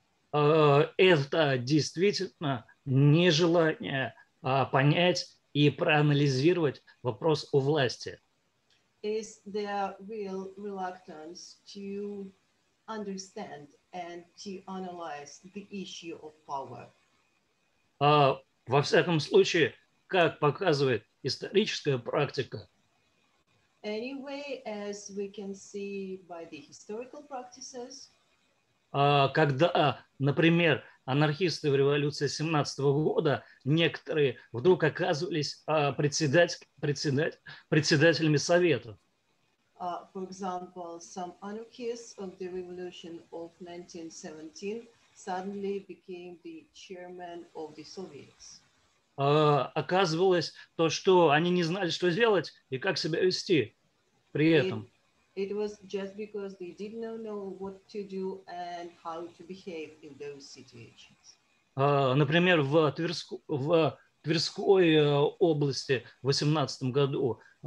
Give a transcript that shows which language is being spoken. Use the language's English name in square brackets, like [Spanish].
[Russian] Это действительно нежелание понять и проанализировать вопрос о власти. [English] Is there real reluctance to understand and to analyze the issue of power? [Russian] Во всяком случае, как показывает историческая практика. [English] Anyway, as we can see by the historical practices. [Russian] Когда, например, анархисты в революции 17 года, некоторые вдруг оказывались председателями Совета. [English] For example, some anarchists of the revolution of 1917 suddenly became the chairman of the Soviets. [Russian] Оказывалось то, что они не знали, что делать и как себя вести при этом. [English] It was just because they did not know what to do and how to behave in those situations. [Russian] Например, в Тверской области в 18 году.